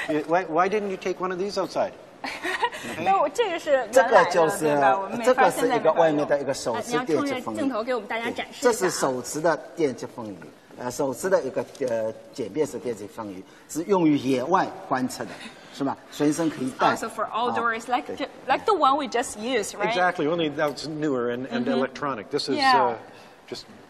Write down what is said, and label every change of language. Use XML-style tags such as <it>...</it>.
<en>Why didn't you take one of these outside? No,</en> <zh>这个就是原来的，这个是一个外面的一个手持电气风仪。你要冲着镜头给我们大家展示一下。这是手持的电气风仪，手持的一个简便式电气风仪，是用于野外观测的。是吧？随身可以带。</zh> <en>Also for outdoors, like the one we just used, right? Exactly. Only that's newer and electronic. This is just</en>